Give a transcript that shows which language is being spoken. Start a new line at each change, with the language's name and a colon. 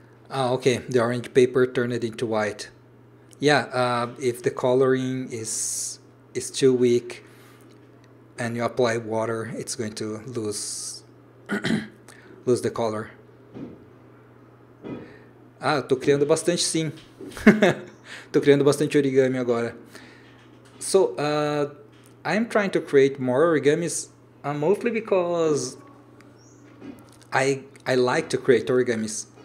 English: Okay, the orange paper turned into white. Yeah, if the coloring is too weak and you apply water, it's going to lose the color.
Portuguese: Tô criando bastante, sim. Tô criando bastante origami agora.
English: So, I'm trying to create more origamis, mostly because I like to create origamis.